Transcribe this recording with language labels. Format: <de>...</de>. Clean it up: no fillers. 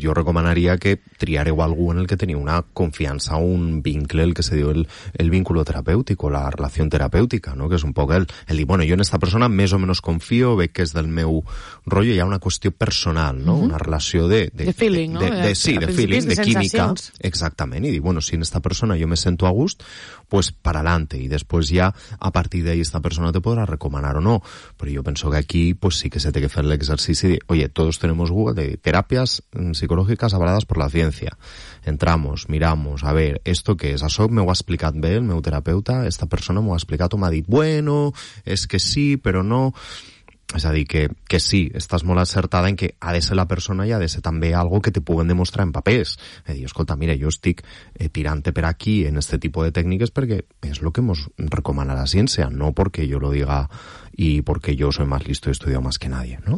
<ca>Jo recomanaria que triareu algú en el que teniu una confiança o un vincle, el que se diu el vínculo terapèutic o la relació terapèutica, no? Que és un poc el dir, bueno, jo en esta persona més o menys confio, o veig que és del meu rotllo, hi ha una qüestió personal, no? Uh-huh. Una relació de</ca> <en>feeling,</en> <ca>de, no? De feeling, de química. Exactament. I dir, bueno, si en esta persona jo me sento a gust,</ca> <es>pues para adelante.</es> <ca>I després ja, a partir d'ahí, esta persona te podrà recomanar o no. Però jo penso que aquí, pues sí que se té que fer l'exercici de,</ca> <es>oye, todos tenemos</es> <ca>Google de teràpies psicològiques avalades per la ciència.</ca> <es>Entramos, miramos, a ver, ¿esto qué es?</es> <ca>¿Això me ho ha explicat bé el meu terapeuta? Esta persona m'ho ha explicat o m'ha dit, bueno, és que sí, però no... És a dir, que sí, estàs molt acertada en que ha de ser la persona i ha de ser també algo que te puguen demostrar en papers. És a dir, escolta, mira, jo estic tirant-te per aquí en este tipus de tècniques perquè és el que mos recomana la ciència, no perquè jo lo diga i perquè jo</ca> <es>soy más listo y estudio más que nadie,</es> <ca>¿no?</ca>